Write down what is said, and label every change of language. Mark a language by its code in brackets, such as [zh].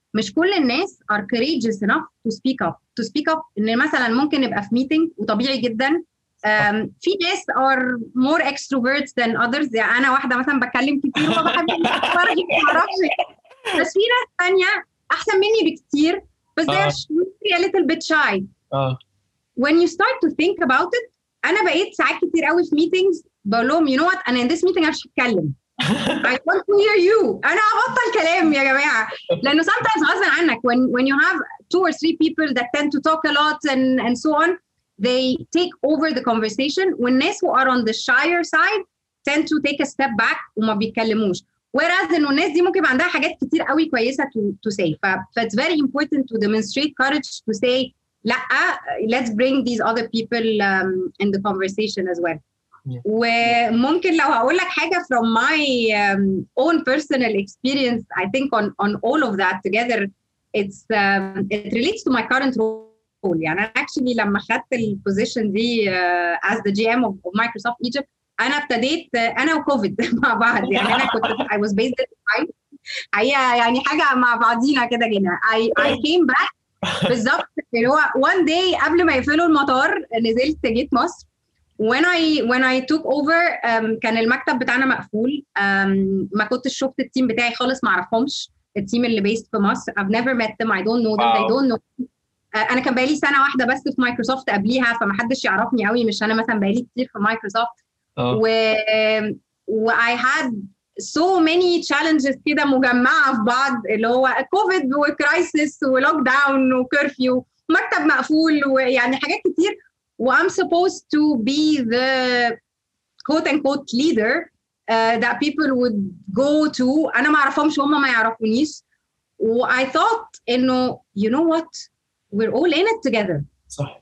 [ar] مش كل الناس [en] are courageous enough to speak up [ar] ان مثلا ممكن نبقى في meeting وطبيعي جدا في ناس [en] are more extroverts than others [ar] يعني انا واحده مثلا بتكلم كتير فبحب اتفرج معرفش بس في ناس ثانيه احسن مني بكتير بس [en] they're a little bit shy when you start to think about it [ar] انا بقيت ساعات كتير قوي في meetings بقول لهم [en] you know what [ar] انا [en] in this meeting [ar] مش هتكلم [en] I want to hear you. [ar] أنا أبطل كلام يا جماعة. [en] لأنه sometimes [ar] غصب عنك [en] when you have two or three people that tend to talk a lot and so on, they take over the conversation. When those who are on the shyer side tend to take a step back [ar] وما بيتكلموش. Whereas إنه الناس دي ممكن عندها حاجات كتير قوي كويسة [en] to say. It's very important to demonstrate courage to say, let's bring these other people in the conversation as well. Yeah. [ar] وممكن لو هقول لك حاجة [en] from my own personal experience I think on all of that together it's it relates to my current role يعني أنا actually لما خدت ال position دي as the GM of Microsoft Egypt [ar] أنا ابتديت أنا وكوفيد مع بعض يعني أنا كنت [en] I was based in time [ar] هي يعني حاجة مع بعضينا كده جينا [en] I came back [ar] بالضبط هو [en] one day [ar] قبل ما يقفلوا المطار نزلت جيت مصر [en] When I took over, [ar] كان المكتب بتاعنا مقفول. ما كنتش شفت التيم بتاعي خالص ما عرفهمش. التيم اللي based في مصر. [en] I've never met them. I don't know them. Wow. They don't know. [ar] أنا كان بقالي سنة واحدة بس في مايكروسوفت قبليها. فما حدش يعرفني قوي. مش أنا مثلا بقالي كتير في مايكروسوفت. [en] I had so many challenges [ar] كده مجمعة في بعض. اللي هو COVID وكرايسيس ولوكداون وكيرفيو. مكتب مقفول. ويعني حاجات كتير. [en] I'm supposed to be the quote-unquote leader that people would go to. [ar] أنا ما عرفهمش هما ما يعرفونيش. [en] I thought, you know what? We're all in it together. [ar] صح.